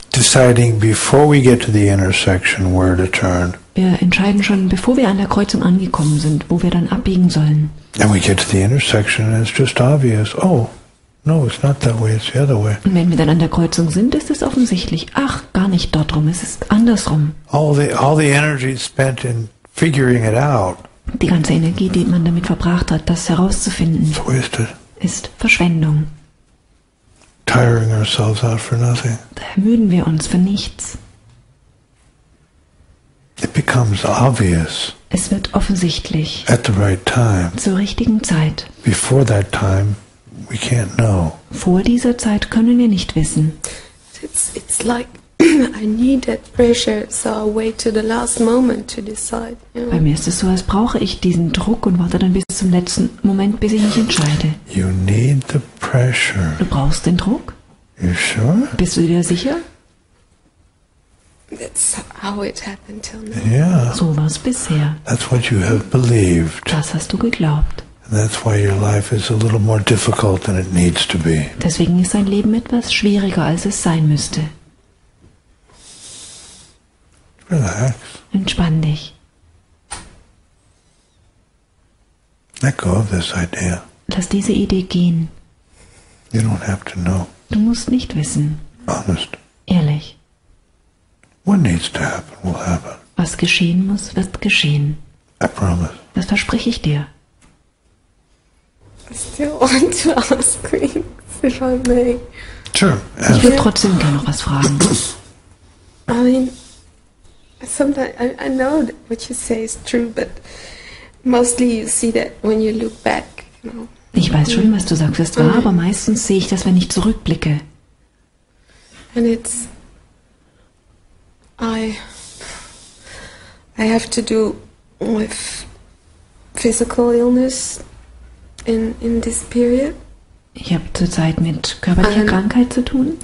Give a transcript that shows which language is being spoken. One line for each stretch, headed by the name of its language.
English: Deciding before we get to the intersection where to turn.
German: Wir entscheiden schon, bevor wir an der Kreuzung angekommen sind, wo wir dann abbiegen sollen.
English: And we get to the intersection and it's just obvious. Oh, no, it's not that way, it's the other way.
German: Und wenn wir dann an der Kreuzung sind, ist es offensichtlich. Ach, gar nicht dort rum, es ist andersrum.
English: All the energy spent in figuring it out.
German: Die ganze Energie, die man damit verbracht hat, das herauszufinden, ist Verschwendung.
English: Tiring ourselves out for nothing.
German: Da ermüden wir uns für nichts.
English: It becomes obvious.
German: Es wird offensichtlich.
English: At the right time.
German: Zur richtigen Zeit.
English: Before that time, we can't know.
German: Vor dieser Zeit können wir nicht wissen.
English: It's like I need that pressure, so I wait to the last moment to decide. You know?
German: Bei mir ist es so, als brauche ich diesen Druck und warte dann bis zum letzten Moment, bis ich mich entscheide.
English: You need the pressure.
German: Du brauchst den Druck?
English: You sure?
German: Bist du dir sicher?
English: That's how it happened till now. Yeah.
German: So war es bisher.
English: That's what you have believed.
German: Das hast du geglaubt.
English: And that's why your life is a little more difficult than it needs to be.
German: Deswegen ist dein Leben etwas schwieriger, als es sein müsste.
English: Relax.
German: Entspann dich.
English: Let go of this idea.
German: Lass diese Idee gehen.
English: You don't have to know.
German: Du musst nicht wissen.
English: Honest.
German: Ehrlich.
English: What needs to happen will happen.
German: Was geschehen muss, wird geschehen.
English: I promise.
German: Das verspreche ich dir.
English: I still want to ask things, if I may. Sure.
German: Ich will trotzdem gerne noch was fragen.
English: I mean, sometimes I know that what you say is true, but mostly you see that when you look back, you know.
German: Ich weiß schon, was du sagst, ist wahr, aber meistens sehe ich das, wenn ich zurückblicke.
English: And it's I have to do with physical illness in this period.
German: Ich habe zurzeit mit körperlicher Krankheit zu tun.